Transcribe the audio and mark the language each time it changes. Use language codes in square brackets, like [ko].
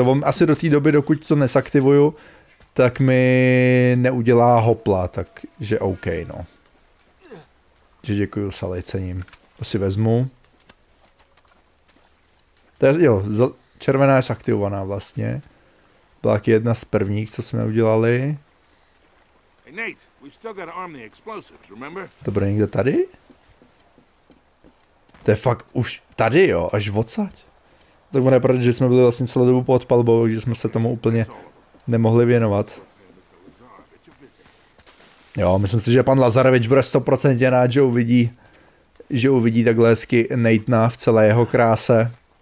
[cs] On asi do té doby, dokud to nesaktivuju, tak mi neudělá hopla, takže OK, no. Že děkuju, Sally, cením. To si vezmu. To je, jo, červená je zaktivovaná vlastně. Byla taky jedna z prvních, co jsme udělali. [en] Hey, Nate. We've still got to arm the explosives, remember? [cs] To bude někde tady? To je fakt už tady jo, až odsaď. Tak ono je pravda, že jsme byli vlastně celou dobu pod palbou, že jsme se tomu úplně nemohli věnovat. Jo, myslím si, že pan Lazarevič bude 100% rád, že uvidí takhle hezky Nate'na v celé jeho kráse.